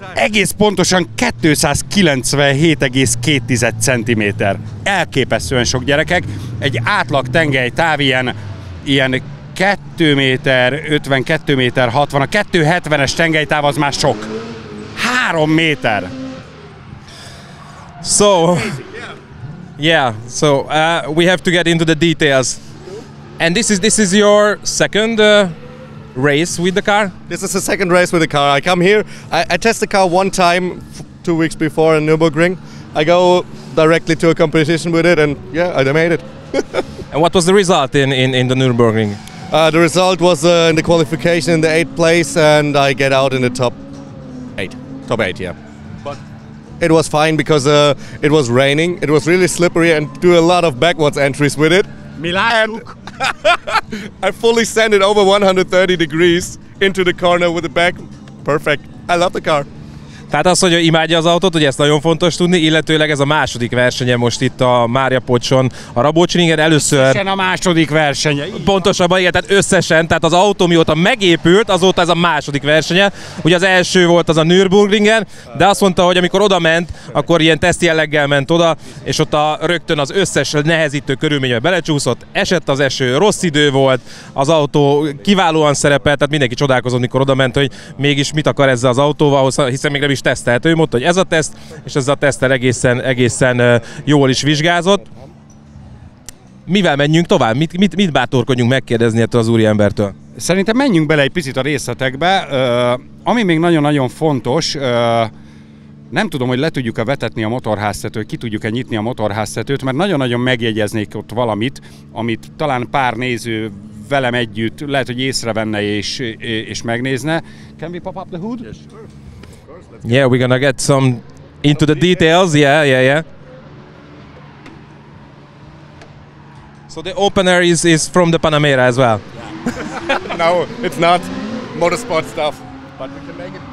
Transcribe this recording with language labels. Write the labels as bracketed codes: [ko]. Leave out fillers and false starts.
[hu] Egész pontosan 297,2 cm. Elképesztően sok, gyerekek. Egy átlag tengely táv ilyen 2 méter 50, 2 méter 60, a 270-es tengely táv az már sok. 3 méter! [en] So... Yeah, so we have to get into the details. And this is your second race with the car? This is the second race with the car. I come here, I test the car one time, 2 weeks before in Nürburgring. I go directly to a competition with it and yeah, I made it. And what was the result in the Nürburgring? The result was in the qualification in the 8th place and I get out in the top 8. Top 8, yeah. It was fine because it was raining. It was really slippery and do a lot of backwards entries with it. Milánuk. I fully sent it over 130 degrees into the corner with the back. Perfect. I love the car. [hu] Tehát az, hogy imádja az autót, ugye ezt nagyon fontos tudni, illetőleg ez a második versenye most itt a Mária Pocson, a Rabócsringen először... Összesen a második versenye. Pontosabban, igen, tehát összesen, tehát az autó mióta megépült, azóta ez a második versenye. Ugye az első volt az a Nürburgringen, de azt mondta, hogy amikor oda ment, akkor ilyen tesztjelleggel ment oda, és ott a rögtön az összes nehezítő körülménybe belecsúszott, esett az eső, rossz idő volt, az autó kiválóan szerepelt, tehát mindenki csodálkozott, mikor oda ment, hogy mégis mit akar ezzel az autóval, hiszen még is tesztelt. Ő mondta, hogy ez a teszt, és ez a teszttel egészen jól is vizsgázott. Mivel menjünk tovább? Mit bátorkodjunk megkérdezni ettől az úriembertől? Szerintem menjünk bele egy picit a részletekbe. Ami még nagyon-nagyon fontos, Nem tudom, hogy le tudjuk-e vetetni a motorháztetőt, ki tudjuk-e nyitni a motorháztetőt, mert nagyon-nagyon megjegyeznék ott valamit, amit talán pár néző velem együtt lehet, hogy észrevenne és megnézne. [en] Can we pop up the hood? Yeah, sure. Yeah, we're gonna get some into the details. Yeah. So the opener is from the Panamera as well. Yeah. No, it's not motorsport stuff. But we can make it.